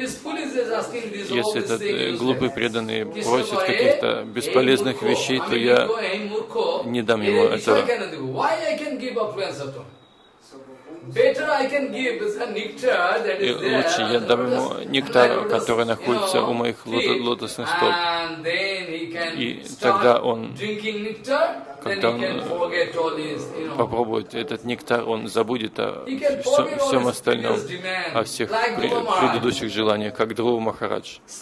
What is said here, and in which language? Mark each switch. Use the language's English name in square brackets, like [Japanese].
[Russian] Если этот глупый преданный просит каких-то бесполезных вещей, то я не дам ему это. [English] Better I can give the nectar that is there. [Russian] Лучше я дам ему нектар, который находится у моих лотосных стоп. И тогда он, когда он попробует этот нектар, он забудет о всем остальном, о всех предыдущих желаниях, как Дхрува Махарадж.